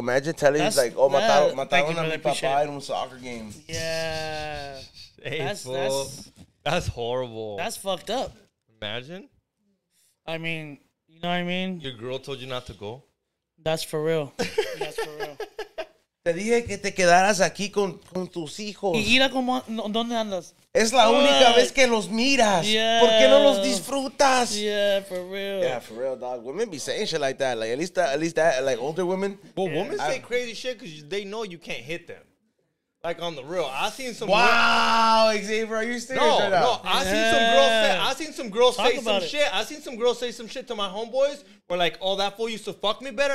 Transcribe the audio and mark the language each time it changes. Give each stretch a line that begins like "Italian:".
English: Imagine telling you, like, oh,
Spanish: mataron a mi papá
English: in a soccer game. Yeah. Hey, that's horrible. That's fucked up. Imagine. I mean, you know what I mean? Your girl told you not to go? That's for real. That's for
Spanish: Te dije que te quedaras aquí con tus hijos. Y mira cómo, ¿dónde andas? Es la única vez que los miras.
English: Yeah.
Spanish: ¿Por qué no los disfrutas?
English: Yeah, for real. Yeah, for real, dog. Women be saying shit like that. Like, at least that, like, older women. But yeah. Women say crazy shit because they know you can't hit them. Like, on the real. I seen some Xavier, are you serious? No, I seen some girls say some shit. I seen some girls say some shit to my homeboys. Where, like, oh, that fool used to fuck me better.